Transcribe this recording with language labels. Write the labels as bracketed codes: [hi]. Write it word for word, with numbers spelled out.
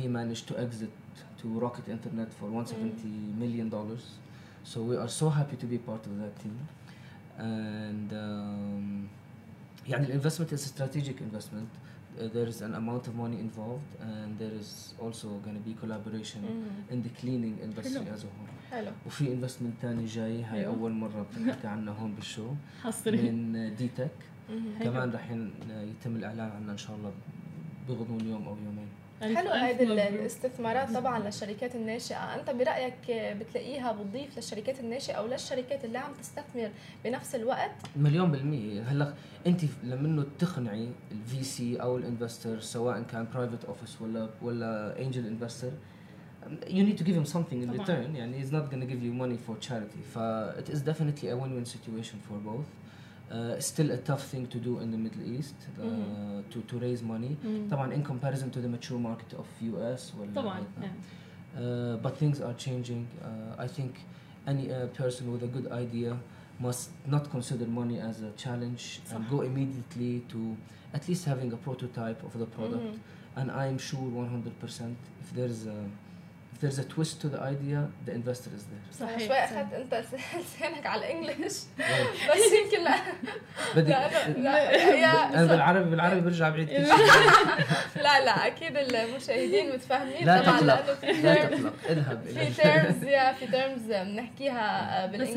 [en] he managed to exit to Rocket Internet for one hundred seventy million dollars. So we are so happy to be part of that team. And um, يعني the investment is a strategic investment. Uh, there is an amount of money involved, and there is also going to be collaboration mm-hmm. in the cleaning industry as a whole. Hello. [ar] وفي investment تاني جاي هاي أول مرة بنحكي عنها هون بالشو من ديتك. كمان راح يتم الإعلان عنها إن شاء الله بغضون يوم أو يومين. حلو. هذه الاستثمارات طبعا للشركات الناشئة، أنت برأيك بتلاقيها بتضيف للشركات الناشئة أو للشركات اللي عم تستثمر بنفس الوقت؟ مليون بالمية. هلأ أنت لمنه تقنعي الفي سي أو الانفستر سواء كان برايفت أوفيس ولا ولا أنجل انفستر, [en] you need to give him something in return. يعني he's not going to give you money for charity. ف it is definitely a win-win situation for both. Uh, still a tough thing to do in the Middle East uh, mm-hmm. to to raise money. Mm-hmm. طبعا in comparison to the mature market of U S well, [ar] طبعا. [en] Yeah. Uh, but things are changing. Uh, I think any uh, person with a good idea must not consider money as a challenge صح. and go immediately to at least having a prototype of the product. Mm-hmm. And I'm sure one hundred percent if there's a there's a twist to the idea, the investor is there. [ar] صحيح. شوي أخذت أنت لسانك على الإنجليش بس يمكن لا لا أنا بالعربي بالعربي برجع بعيد كل شيء. لا لا أكيد المشاهدين متفاهمين. لا تقلق لا تقلق اذهب في terms يا في terms بنحكيها بالإنجليش.